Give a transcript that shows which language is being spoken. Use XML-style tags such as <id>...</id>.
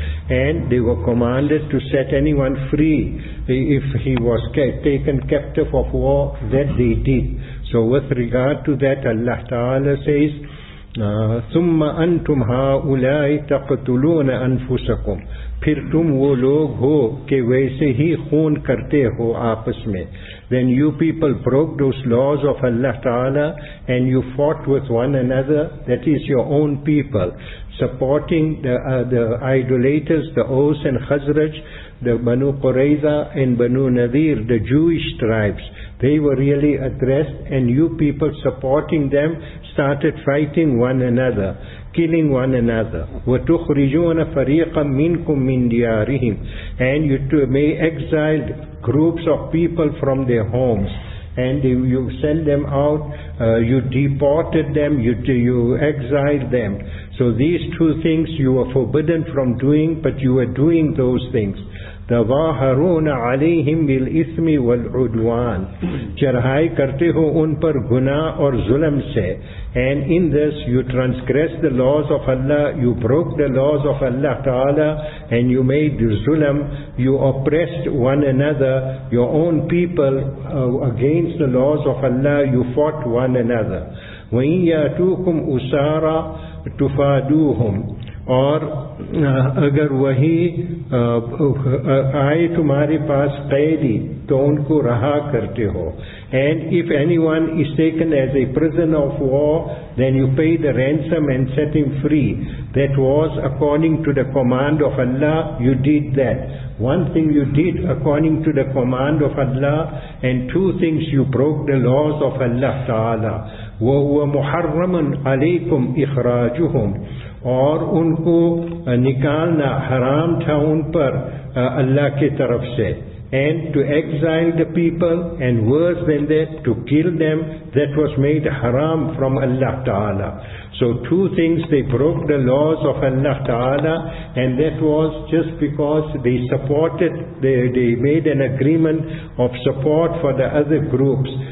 <en>And they were commanded to set anyone free if he was taken captive of war, that they did. So with regard to that, Allah Ta'ala says,</en> <ar>ثُمَّ أَنْتُمْ هَاُولَاءِ تَقْتُلُونَ أَنفُسَكُمْ.</ar> <ur>پھر تم وہ لوگ ہو کہ ویسے ہی خون کرتے ہو آپس میں.</ur> <en>Then you people broke those laws of Allah Ta'ala and you fought with one another, that is your own people, supporting the idolaters, the Aus and Khazraj, the Banu Qurayza and Banu Nadir, the Jewish tribes. They were really addressed, and you people supporting them started fighting one another, killing one another.</en> <ar>وَتُخْرِجُونَ فَرِيقًا مِنْكُمْ مِنْ دِيَارِهِمْ.</ar> <en>And you too may exile groups of people from their homes. And you send them out, you deported them, you exiled them. So these two things you were forbidden from doing, but you were doing those things.</en> <ar>تَظَاهَرُونَ عَلَيْهِمْ بِالْإِثْمِ وَالْعُدْوَانِ.</ar> <ur>چرہائی کرتے ہو ان پر گناہ اور ظلم سے.</ur> <en>And in this you transgressed the laws of Allah, you broke the laws of Allah Ta'ala, and you made ظلم, you oppressed one another, your own people, against the laws of Allah, you fought one another.</en> <ar>وَإِنْ يَأْتُوكُمْ أُسَارَى تُفَادُوهُمْ.</ar> <ur>اور اگر وہی آئے تمہارے پاس قیدی تو ان کو رہا کرتے ہو.</ur> <en>And if anyone is taken as a prisoner of war, then you pay the ransom and set him free. That was according to the command of Allah, you did that. One thing you did according to the command of Allah, and two things you broke the laws of Allah Ta'ala.</en> <ar>وَهُوَ مُحَرَّمٌ عَلَيْكُمْ إِخْرَاجُهُمْ.</ar> <ur>اور ان کو نکالنا حرام تھا ان پر اللہ کی طرف سے.</ur> <en>And to exile the people, and worse than that, to kill them, that was made haram from Allah Ta'ala. So two things, they broke the laws of Allah Ta'ala, and that was just because they supported, they made an agreement of support for the other groups.</en>